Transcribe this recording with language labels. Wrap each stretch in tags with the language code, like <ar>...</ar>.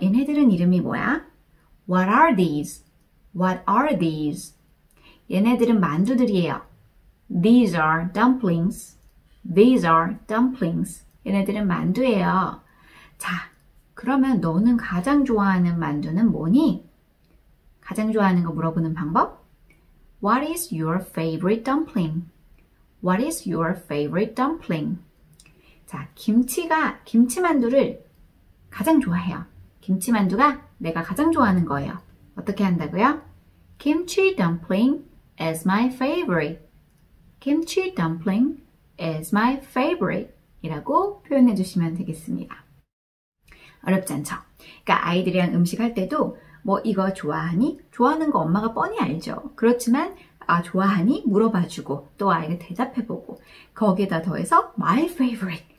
<ko>얘네들은 이름이 뭐야?</ko> <en>What are these? What are these?</en> <ko>얘네들은 만두들이에요.</ko> <en>These are dumplings. These are dumplings.</en> <ko>얘네들은 만두예요. 자, 그러면 너는 가장 좋아하는 만두는 뭐니? 가장 좋아하는 거 물어보는 방법?</ko> <en>What is your favorite dumpling? What is your favorite dumpling?</en> <ko>자, 김치만두를 가장 좋아해요. 김치만두가 내가 가장 좋아하는 거예요. 어떻게 한다고요?</ko> <en>김치 dumpling is my favorite. Kimchi dumpling is my favorite.</en> <ko>이라고 표현해 주시면 되겠습니다. 어렵지 않죠? 그러니까 아이들이랑 음식 할 때도 뭐 이거 좋아하니? 좋아하는 거 엄마가 뻔히 알죠. 그렇지만 아 좋아하니? 물어봐 주고 또 아이가 대답해 보고 거기에다 더해서</ko> <en>my favorite.</en>